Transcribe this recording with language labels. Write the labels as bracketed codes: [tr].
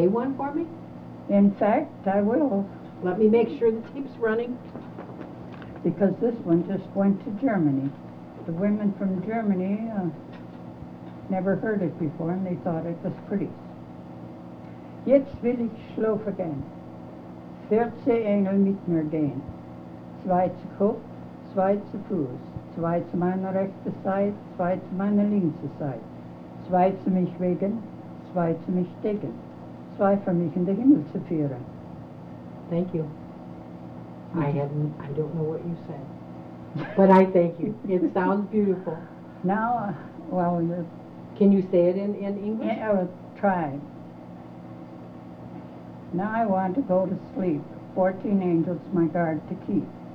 [en] you say one for me? In fact, I will. Let me make sure the tape's running. Because this one just went to Germany. The women from Germany never heard it before, and they thought it was pretty. [de] Jetzt will ich schlaf [en] again. [de] 14 Engel mit mir gehen, zwei zu Kopf, zwei zu Fuß, zwei zu meiner rechten Seite, zwei zu meiner linken Seite, zwei zu mich wegen, zwei zu mich decken, zwei für mich in den Himmel zu führen. [en] Thank you. I don't know what you said, but I thank you. It sounds beautiful. Now, can you say it in English? Yeah, I will try. Now I want to go to sleep, 14 angels my guard to keep.